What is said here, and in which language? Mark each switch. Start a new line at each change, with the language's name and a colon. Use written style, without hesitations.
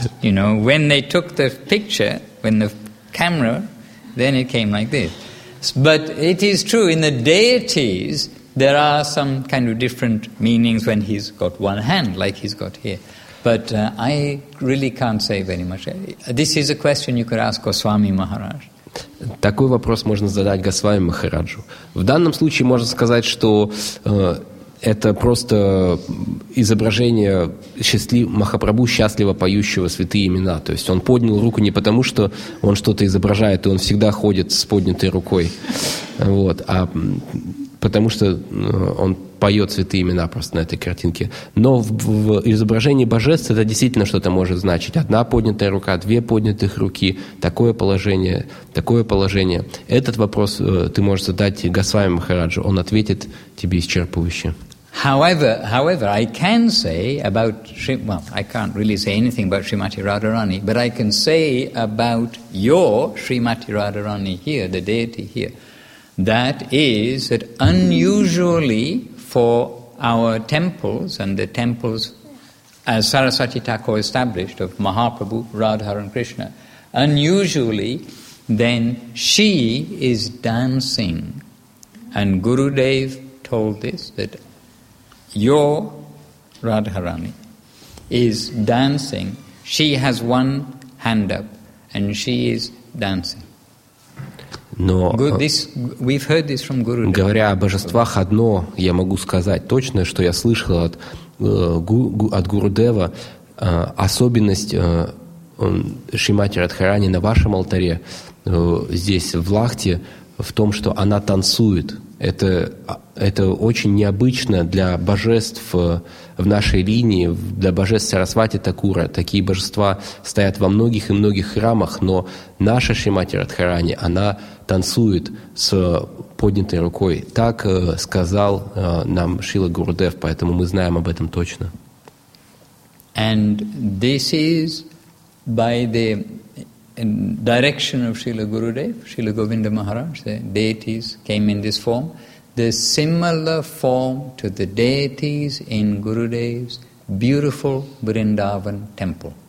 English: You know, when they took the picture, when the camera. Then it came like this. But it is true, in the deities, there are some kind of different meanings when he's got one hand, like he's got here. But I really can't say very much. This is a question you could ask Goswami Maharaj.
Russian: Такой вопрос можно задать Госвами Махараджу. В данном случае можно сказать, что Это просто изображение Махапрабху, счастливо поющего святые имена. То есть он поднял руку не потому, что он что-то изображает, и он всегда ходит с поднятой рукой, вот, а потому что он поет святые имена просто на этой картинке. Но в изображении божеств это действительно что-то может значить. Одна поднятая рука, две поднятых руки, такое положение. Этот вопрос ты можешь задать Госвами Махараджу, он ответит тебе исчерпывающе.
English: However, I can say about I can't really say anything about Srimati Radharani, but I can say about your Srimati Radharani here, the deity here, that is that unusually for our temples and the temples as Saraswati Thakur established of Mahaprabhu, Radhar and Krishna, unusually then she is dancing. And Gurudev told this, that your Radharani is dancing. She has one hand up and she is dancing.
Russian: Но говоря о божествах, одно я могу сказать точно, что я слышал от Гурудева, особенность Шримати Радхарани на вашем алтаре, здесь в Лахте, в том, что она танцует. Это очень необычно для божеств в нашей линии, для божеств Сарасвати Такура. Такие божества стоят во многих и многих храмах, но наша Шримати Радхарани, она танцует с поднятой рукой. Так сказал нам Шрила Гурудев, поэтому мы знаем об этом точно.
English: And this is by the direction of Srila Gurudev, Srila Govinda Maharaj, the deities came in this form, the similar form to the deities in Gurudev's beautiful Vrindavan temple.